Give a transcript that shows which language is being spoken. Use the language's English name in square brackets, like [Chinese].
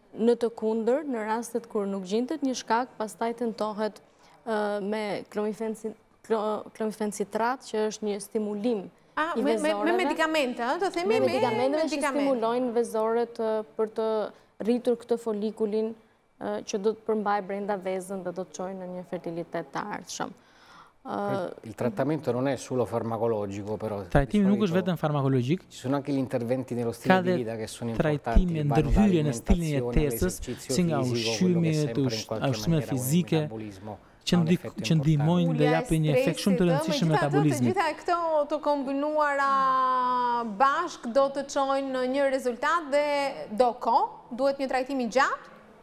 [Albanian] Në të kundër, në rastet kur nuk gjendet një shkak, pastaj tentohet me klomifen citrat, që është një stimulim i vezoreve. Me medikamente, do themi me medikamente që stimulojnë vezoret për të rritur këtë folikulin që do të përmbajë brenda vezën dhe do të çojë në një fertilitet të ardhshëm. [Italian] Il trattamento non è solo farmacologico, però. [Albanian] Trajtimi nuk është vetëm farmakologjik. [Italian] Ci sono anche gli interventi nello stile di vita che sono importanti. [Albanian] Trajtimi ndërhyrje në stilin e jetës, si nga ushqimi, ushqime fizike, që ndihmojnë dhe japin një efekt shumë të rëndësishëm metabolizmit. Gjitha këto të kombinuara bashk do të çojnë në një rezultat dhe do kohë? Duhet një trajtimi gjatë?